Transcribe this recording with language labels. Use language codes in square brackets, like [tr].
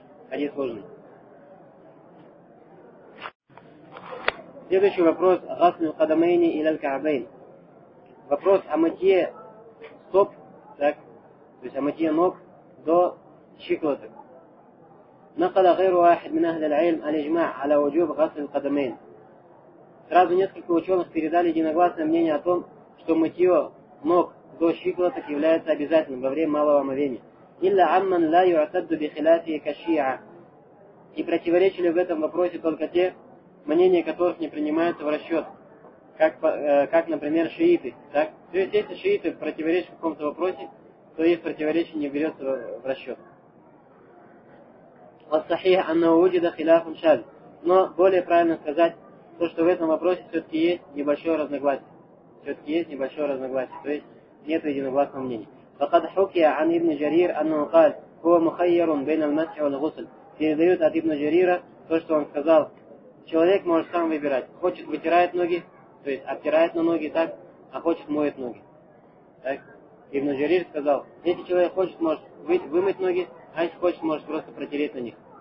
[ru] Хадис сложный. Следующий вопрос. [ar] Гасль кадамейни илял каабейн. [ru] Вопрос о мытье стоп, так, то есть о мытье ног до щиколоток. [ar] نقل غير واحد من أهل العلم الإجماع على وجوب غسل القدمين. [ru] Сразу несколько ученых передали единогласное мнение о том, что мытье ног до щиколоток является обязательным во время малого омовения. [ar] إلا عمن لا يعتد بخلافه كشيعة. [ru] И противоречили в этом вопросе только те, мнения которых не принимаются в расчет, как например, шииты. Так? То есть, если шииты противоречат в каком-то вопросе, то их противоречие не берется в расчет. [ar] والصحيح أنه وجد خلاف شاذ. [ru] Но более правильно сказать, то, что в этом вопросе все-таки есть небольшое разногласие. Все-таки есть небольшое разногласие, то есть нет единогласного мнения. [ar] فقد حكي عن ابن جرير أنه قال هو مخير بين المسح والغسل. [ru] Передают от ابن جريرа то, что он сказал. Человек может сам выбирать. Хочет вытирает ноги, то есть обтирает на ноги так, а хочет моет ноги. Так. Ибн Джарир сказал, если человек хочет, может вымыть ноги, а если хочет, может просто протереть на них.